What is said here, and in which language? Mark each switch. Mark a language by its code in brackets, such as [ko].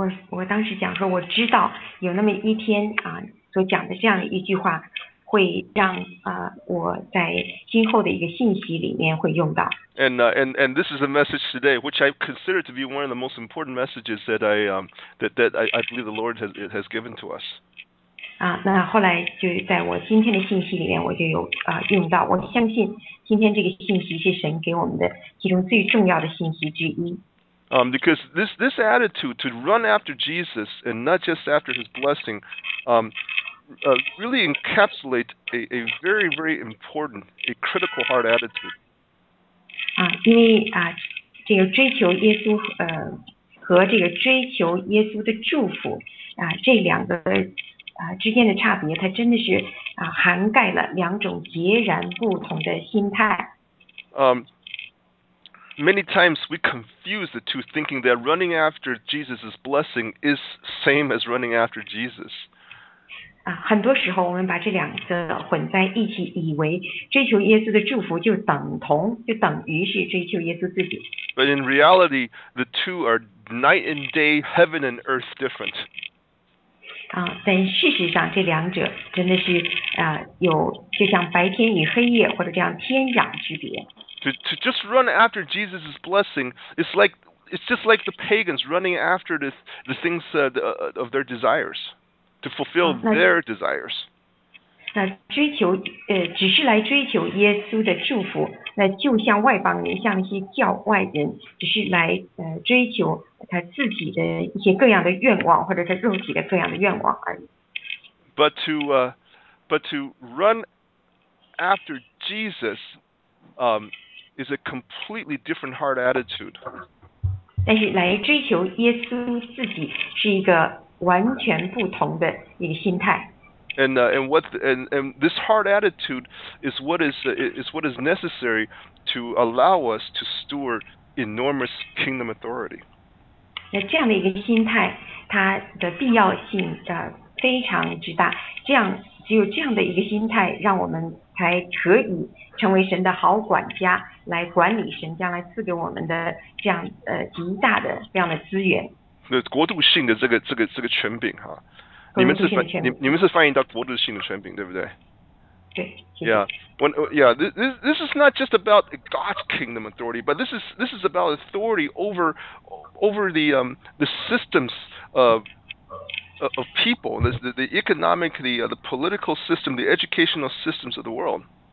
[zh] 我当时讲说，我知道有那么一天所讲的这样一句话会让我在今后的一个信息里面会用到。 [en] And this is a message today, which I consider to be one of the most important messages that I believe the Lord has given to us. [zh] 那后来就在我今天的信息里面，我就有用到。我相信今天这个信息是神给我们的其中最重要的信息之一。 [en] Because this attitude to run after Jesus and not just after his blessing, really encapsulate a very very important a critical heart attitude. [zh] 因为这个追求耶稣和这个追求耶稣的祝福这两个。之间的差别，它真的是涵盖了两种截然不同的心态。 [en] Many times we confuse the two, thinking that running after Jesus' blessing is same as running after Jesus. [zh] 很多时候我们把这两个混在一起，以为追求耶稣的祝福就等于是追求耶稣自己。 [en] But in reality, the two are night and day, heaven and earth different. [zh] 但事实上这两者真的是有就像白天与黑夜或者这样天壤之别。 [en] To just run after Jesus' blessing, it's just like the pagans running after the things of their desires, to fulfill their desires. [zh] 那追求只是来追求耶稣的祝福，那就像外邦人，像一些教外人，只是来追求他自己的一些各样的愿望，或者他肉体的各样的愿望而已。 [en] But to run after Jesus, is a completely different heart attitude. [zh] 但是来追求耶稣自己是一个完全不同的一个心态。 [en] And this heart attitude is what is necessary to allow us to steward enormous kingdom authority. [zh] 那这样的一个心态，它的必要性非常之大。这样只有这样的一个心态，让我们才可以成为神的好管家，来管理神将来赐给我们的这样极大的这样的资源。那国度性的这个权柄哈。你们是翻译到国度性的权柄，对不对？对。 [en] This is not just about God's kingdom authority, but this is about authority over the systems of people, the economic, the political system, the educational systems of the world.